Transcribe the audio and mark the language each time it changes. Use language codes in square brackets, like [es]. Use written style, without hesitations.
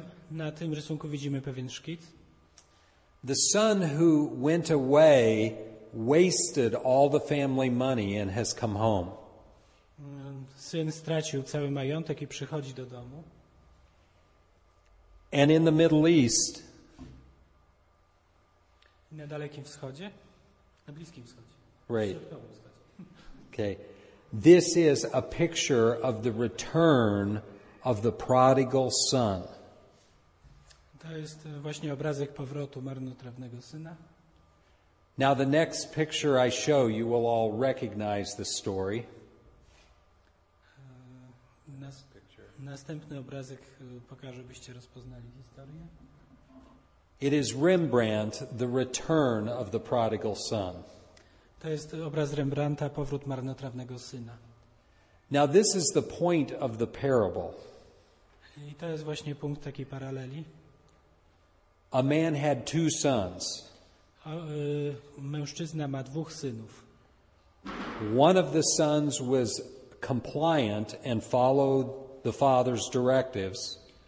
[pl] Na tym rysunku widzimy pewien szkic. [en] The son who went away wasted all the family money and has come home. [pl] Syn stracił cały majątek i przychodzi do domu. [en] And in the Middle East. [pl] Na Dalekim Wschodzie, na Bliskim Wschodzie. [en] Right. Okay. This is a picture of the return of the prodigal son. [pl] To jest właśnie obrazek powrotu marnotrawnego syna. [en] Now the next picture I show you will all recognize the story. [pl] Następny obrazek pokażę, byście rozpoznali historię. [en] It is Rembrandt, the return of the prodigal son. [pl] To jest obraz Rembrandta, powrót marnotrawnego syna. [en] Now this is the point of the parable. [pl] I to jest właśnie punkt takiej paraleli. [en] A man had two sons. [pl] Mężczyzna ma dwóch synów. [en] One of the sons was compliant and followed the father's directives.